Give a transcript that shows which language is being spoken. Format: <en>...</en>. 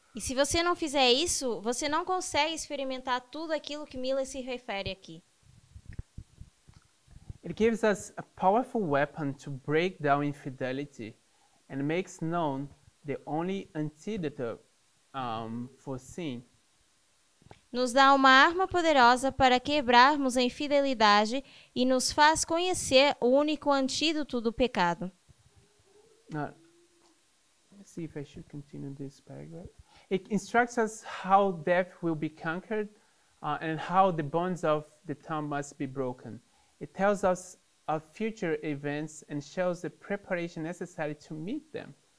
<pt>E se você não fizer isso, você não consegue experimentar tudo aquilo que Miller se refere aqui.</pt> <en>It gives us a powerful weapon to break down infidelity and makes known the only antidote for sin.</en> <pt>Nos dá uma arma poderosa para quebrarmos a infidelidade e nos faz conhecer o único antídoto do pecado.</pt> <en>Let's see if I should continue this paragraph. It instructs us how death will be conquered and how the bonds of the tongue must be broken. It tells us of future events and shows the preparation necessary to meet them.</en>